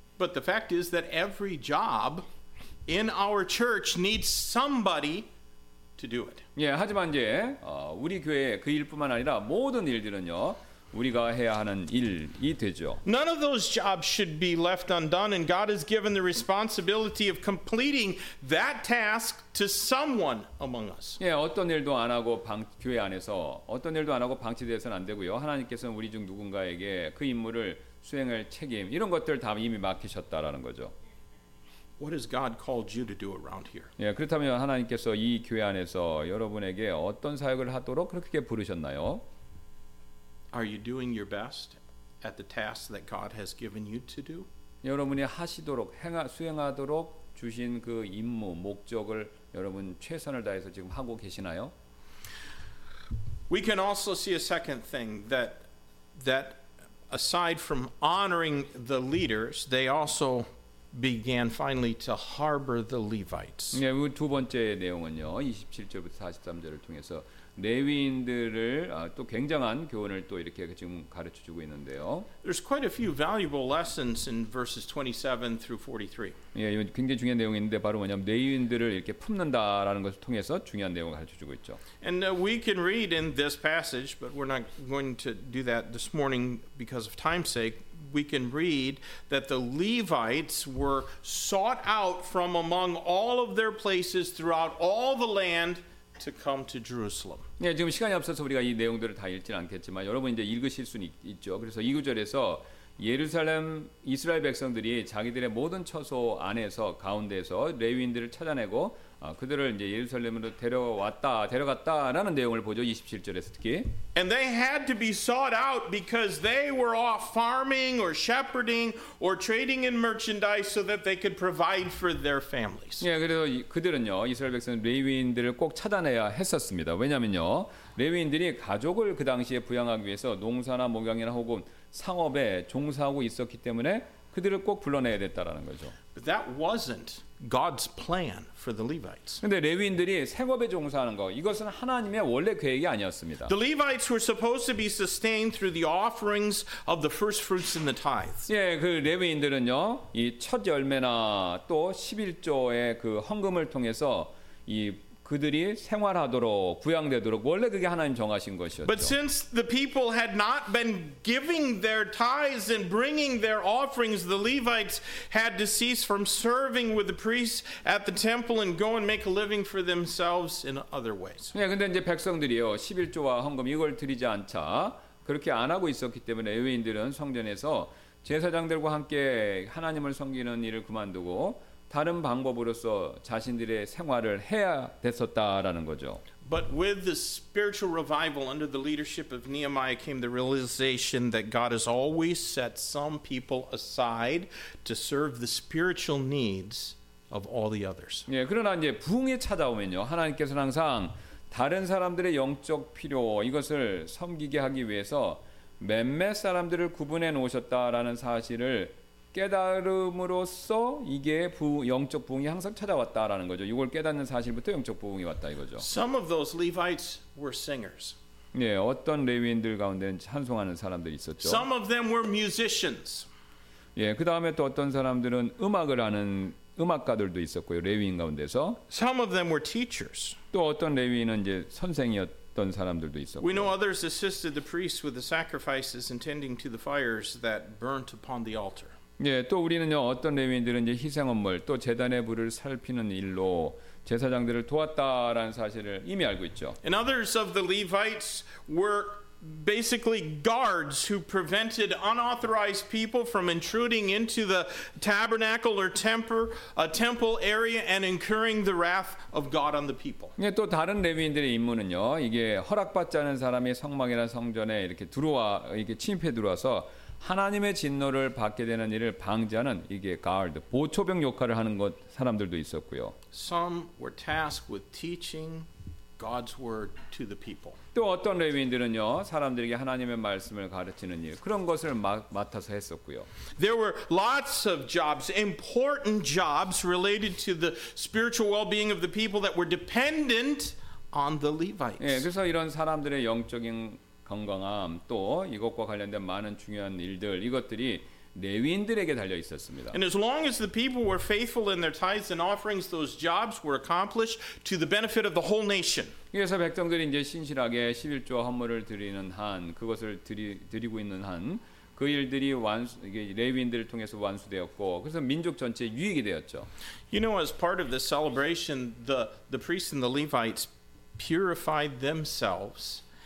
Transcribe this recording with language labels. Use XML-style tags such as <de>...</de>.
<en>But the fact is that every job in our church needs somebody to do it.</en> <ko>예, 하지만 이제 우리 교회 그 일뿐만 아니라 모든 일들은요. 우리가 해야 하는 일이 되죠.</ko> <en>None of those jobs should be left undone, and God has given the responsibility of completing that task to someone among us.</en> <ko>예, 어떤 일도 안 하고 교회 안에서 어떤 일도 안 하고 방치돼서는 안 되고요. 하나님께서는 우리 중 누군가에게 그 임무를 수행할 책임 이런 것들 다 이미 맡기셨다라는 거죠.</ko> <en>What has God called you to do around here?</en> <ko>예, 그렇다면 하나님께서 이 교회 안에서 여러분에게 어떤 사역을 하도록 그렇게 부르셨나요?</ko> <en>Are you doing your best at the task that God has given you to do?</en> <ko>여러분이 하시도록 수행하도록 주신 그 임무 목적을 여러분 최선을 다해서 지금 하고 계시나요?</ko> <en>We can also see a second thing that aside from honoring the leaders, they also began finally to harbor the Levites.</en> <ko>네, 두 번째 내용은요. 27절부터 43절을 통해서 레위인들을 또 굉장한 교훈을 또 이렇게 지금 가르쳐 주고 있는데요.</ko> <en>There's quite a few valuable lessons in verses 27 through 43.</en> <ko>예, 이건 굉장히 중요한 내용인데 바로 뭐냐면 레위인들을 이렇게 품는다라는 것을 통해서 중요한 내용을 가르쳐 주고 있죠.</ko> <en>And we can read in this passage, but we're not going to do that this morning because of time's sake. We can read that the Levites were sought out from among all of their places throughout all the land to come to Jerusalem.</en> <ko>네, 지금 시간이 없어서 우리가 이 내용들을 다 읽지는 않겠지만 여러분 이제 읽으실 수는 있죠. 그래서 이 구절에서 예루살렘 이스라엘 백성들이 자기들의 모든 처소 안에서 가운데서 레위인들을 찾아내고 그들을 이제 예루살렘으로 데려갔다라는 내용을 보죠. 27절에서 특히.</ko> <en>And they had to be sought out because they were off farming or shepherding or trading in merchandise so that they could provide for their families.</en> <ko>예, 그래서 그들은요. 이스라엘 백성 레위인들을 꼭 찾아내야 했었습니다. 왜냐면요. 레위인들이 가족을 그 당시에 부양하기 위해서 농사나 목양이나 혹은 상업에 종사하고 있었기 때문에 그들을 꼭 불러내야 됐다라는 거죠.</ko> <en>But that wasn't God's plan for the Levites.</en> <ko>근데 레위인들이 생업에 종사하는 거 이것은 하나님의 원래 계획이 아니었습니다.</ko> <en>The Levites were supposed to be sustained through the offerings of the first fruits and the tithes.</en> <ko>예, 그 레위인들은요. 이 첫 열매나 또 십일조의 그 헌금을 통해서 이 그들이 생활하도록 부양되도록 원래 그게 하나님 정하신 것이었죠.</ko> <en>But since the people had not been giving their tithes and bringing their offerings, the Levites had to cease from serving with the priests at the temple and go and make a living for themselves in other ways.</en> <ko>예, 근데 이제 백성들이요. 십일조와 헌금 이걸 드리지 않자 그렇게 안 하고 있었기 때문에 레위인들은 성전에서 제사장들과 함께 하나님을 섬기는 일을 그만두고 다른 방법으로서 자신들의 생활을 해야 됐었다라는 거죠.</ko> <en>But with the spiritual revival under the leadership of Nehemiah came the realization that God has always set some people aside to serve the spiritual needs of all the others.</en> <ko>예, 그러나 이제 부흥이 찾아오면요. 하나님께서는 항상 다른 사람들의 영적 필요 이것을 섬기게 하기 위해서 몇몇 사람들을 구분해 놓으셨다라는 사실을 깨달음으로써 이게 영적 부흥이 항상 찾아왔다라는 거죠. 이걸 깨닫는 사실부터 영적 부흥이 왔다 이거죠.</ko> <en>Some of those Levites were singers.</en> <ko>네, 어떤 레위인들 가운데는 찬송하는 사람들이 있었죠.</ko> <en>Some of them were musicians.</en> <ko>예, 그 다음에 또 어떤 사람들은 음악을 하는 음악가들도 있었고요. 레위인 가운데서.</ko> <en>Some of them were teachers.</en> <ko>또 어떤 레위인은 이제 선생이었. 사람들도 있었고.</ko> <en>We know others assisted the priests with the sacrifices and tending to the fires that burnt upon the altar.</en> <ko>예, 또 우리는요. 어떤 레위인들은 이제 희생업물 또 제단의 불을 살피는 일로 제사장들을 도왔다라는 사실을 이미 알고 있죠.</ko> <en>And others of the Levites were basically guards who prevented unauthorized people from intruding into the tabernacle or temple area and incurring the wrath of God on the people.</en> <ko>예, 또 다른 레위인들의 임무는요. 이게 허락받지 않은 사람이 성막이나 성전에 이렇게 들어와 이렇게 침입해 들어와서 하나님의 진노를 받게 되는 일을 방지하는 이게 가드, 보초병 역할을 하는 것 사람들도 있었고요.</ko> <en>Some were tasked with teaching God's word to the people.</en> <ko>또 어떤 레위인들은요, 사람들에게 하나님의 말씀을 가르치는 일, 그런 것을 맡아서 했었고요.</ko> <en>There were lots of jobs, important jobs related to the spiritual well-being of the people that were dependent on the Levites.</en> <ko>예, 그래서 이런 사람들의 영적인 건강함, 또 이것과 관련된 많은 중요한 일들, 이것들이 레위인들에게 달려 있었습니다.</ko> <en>And as long as the people were faithful in their tithes and offerings, those jobs were accomplished to the benefit of the whole nation.</en> <ko>그래서 백성들이 이제 신실하게 십일조 헌물을 드리는 한, 그것을 드리고 있는 한, 그 일들이 레위인들을 통해서 완수되었고, 그래서 민족 전체 유익이 되었죠.</ko> <en>You know, as part of the celebration, the priests and the Levites purified themselves.</en>